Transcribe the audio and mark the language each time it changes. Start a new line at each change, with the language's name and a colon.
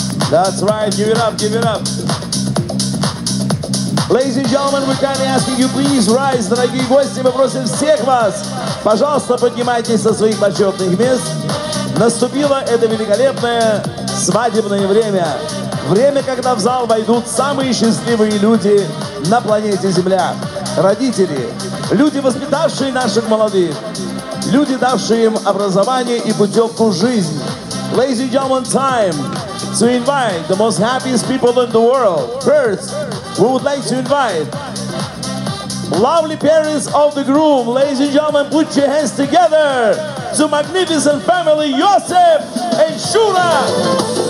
English: That's right, give it up, give it up. Ladies and gentlemen, we're kindly asking you, please rise.
Russian: Дорогие гости, мы просим всех вас, пожалуйста, поднимайтесь со своих почетных мест. Наступило это великолепное свадебное время. Время, когда в зал войдут самые счастливые люди на планете Земля. Родители, люди, воспитавшие наших молодых, люди, давшие им образование и путевку в жизнь.
English: Ladies and gentlemen, time to invite the most happiest people in the world. First, we would like to invite lovely parents of the groom. Ladies and gentlemen, put your hands together to magnificent family, Yosef and Shura.